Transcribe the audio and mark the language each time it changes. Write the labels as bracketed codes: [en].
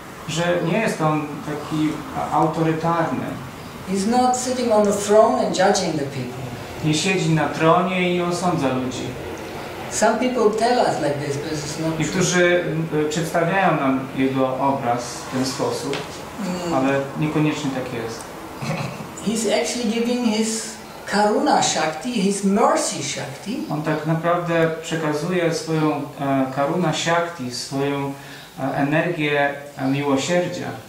[pl] Że nie jest on taki autorytarny. [en] He's not sitting on the throne and judging the people. [pl] Nie siedzi na tronie i osądza ludzi. [en] Some people tell us like this, but it's not. [pl] Niektórzy przedstawiają nam jego obraz w ten sposób, ale niekoniecznie tak jest. [en] He's actually giving his karuna shakti, his mercy shakti. [pl] On tak naprawdę przekazuje swoją karuna shakti, swoją energię miłosierdzia.